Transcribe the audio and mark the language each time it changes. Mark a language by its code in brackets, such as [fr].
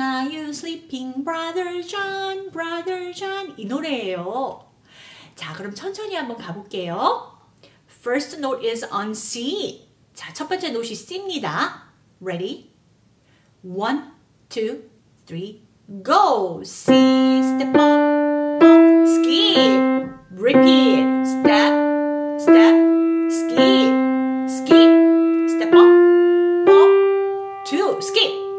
[en] Are you sleeping, Brother John? [ko] Brother John 이 노래예요. 자, 그럼 천천히 한번 가볼게요. [en] First note is on C. [ko] 자, 첫 번째 노트 C입니다. [en] Ready? 1, 2, 3, go. C, step up, up, skip, repeat, step, step, skip, skip, step up, up, two, skip.